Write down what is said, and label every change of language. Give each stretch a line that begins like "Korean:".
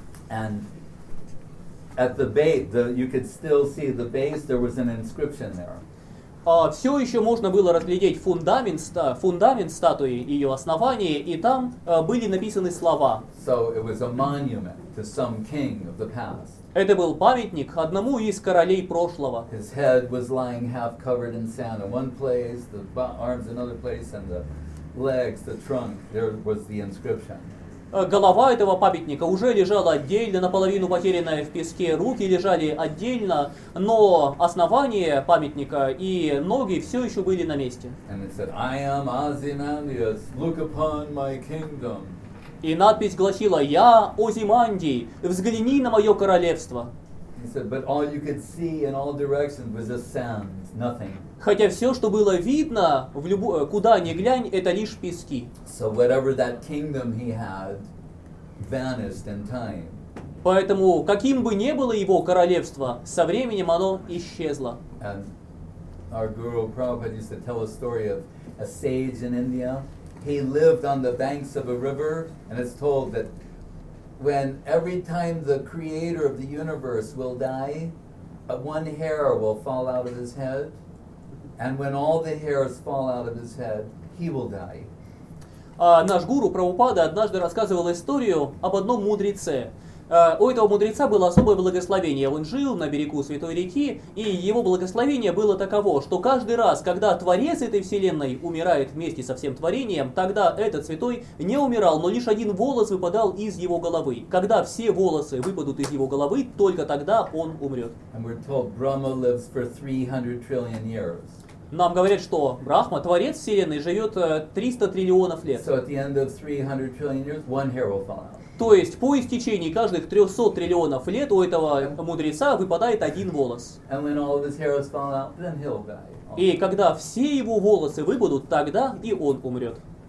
English: And at the base, you could still see the base, there was an inscription there.
Russian: Все еще можно было разглядеть фундамент статуи, ее основание, и там были написаны слова.
English: So it was a monument to some king of the past.
Russian: Это был памятник одному из королей прошлого.
English: His head was lying half covered in sand in one place, the arms in another place, and the legs, the trunk, there was the inscription.
Russian: Голова этого памятника уже лежала отдельно, наполовину потерянная в песке, руки лежали отдельно, но основание памятника и ноги все еще были на месте.
English: And it said, I am Ozymandias, look upon my kingdom.
Russian: И надпись гласила, я Озимандий, взгляни на мое королевство.
English: He said, but all you could see in all directions was just sand, nothing.
Russian: Хотя все, что было видно, в куда ни глянь, это лишь пески.
English: So whatever that kingdom he had vanished in time.
Russian: Поэтому, каким бы ни было его королевство, со временем оно исчезло.
English: And our guru Prabhupada used to tell a story of a sage in India. He lived on the banks of a river, and it's told that when every time the creator of the universe will die, one hair will fall out of his head. And when all the hairs fall out of his head, he will die.
Russian: Наш гуру Прабхупада однажды рассказывал историю об одном мудреце. У этого мудреца было особое благословение. Он жил на берегу Святой реки, и его благословение было таково, что каждый раз, когда творец этой вселенной умирает вместе со всем творением, тогда этот святой не умирал, но лишь один волос выпадал из его головы. Когда все волосы выпадут из его головы, только тогда он умрет.
English: And we're told Brahma lives for 300 trillion years.
Russian: Нам говорят, что Брахма, творец вселенной, живет 300 триллионов лет.
English: So at the end of 300 trillion years, one hair will fall out.
Russian: То есть по истечении каждых 300 триллионов лет у этого мудреца выпадает один волос.
English: Out,
Russian: и когда все его волосы выпадут, тогда и он умрет.